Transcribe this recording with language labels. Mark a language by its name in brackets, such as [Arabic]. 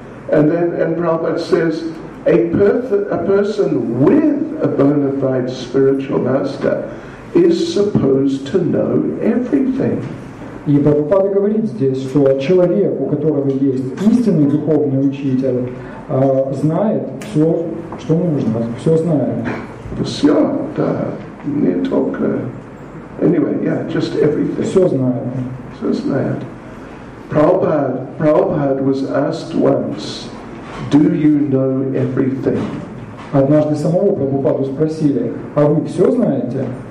[English] And then and Prabhupada says, a person with a bona fide spiritual master is supposed to know everything. [Russian] И Прабхупада говорит здесь, что человек, у которого есть истинный духовный учитель, знает все, что нужно, все знает. Все, да, не только. [English] Anyway, yeah, just everything. [Russian] Все знает. Все знает. [English] Prabhupada was asked once, do you know everything? [Russian] Однажды самого Прабхупаду спросили, а вы все знаете?